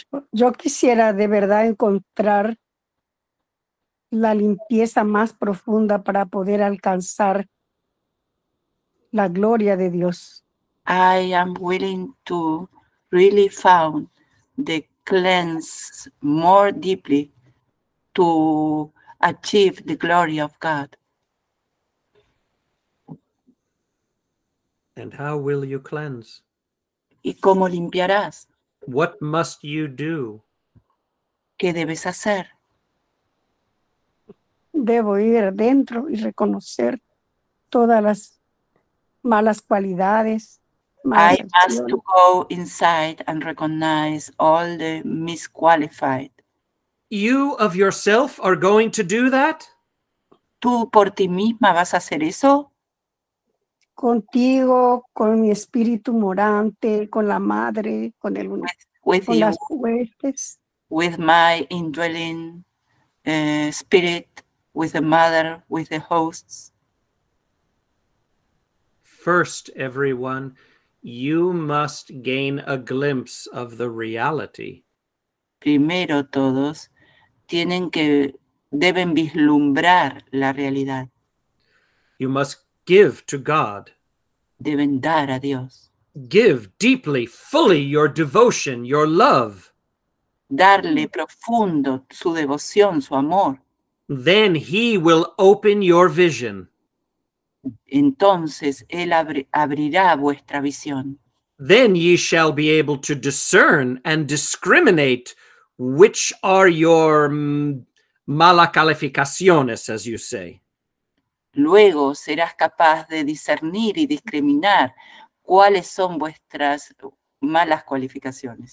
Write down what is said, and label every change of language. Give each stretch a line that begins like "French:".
Spanish: Yo quisiera de verdad encontrar la limpieza más profunda para poder alcanzar la gloria de Dios.
English: I am willing to really find the cleanse more deeply to achieve the glory of God. And how will you cleanse?
Spanish: ¿Y cómo limpiarás?
English: What must you do?
Spanish: ¿Qué debes hacer? Debo ir adentro y reconocer todas las malas cualidades.
English: I must to go inside and recognize all the misqualified. You of yourself are going to do that?
Spanish: ¿Tú por ti misma vas a hacer eso? Contigo, con mi espíritu morante, con la madre, con el
English: with
Spanish: con
English: you,
Spanish: las huestes.
English: With my indwelling spirit, with the mother, with the hosts. First, everyone, you must gain a glimpse of the reality.
Spanish: Primero, todos. Tienen que, deben vislumbrar la realidad.
English: You must give to God.
Spanish: Deben dar a Dios.
English: Give deeply, fully your devotion, your love.
Spanish: Darle profundo su devoción, su amor.
English: Then he will open your vision.
Spanish: Entonces él abrirá vuestra visión.
English: Then ye shall be able to discern and discriminate which are your
Spanish: malas calificaciones,
English: as you say.
Spanish: Luego serás capaz de discernir y discriminar cuáles son vuestras malas cualificaciones.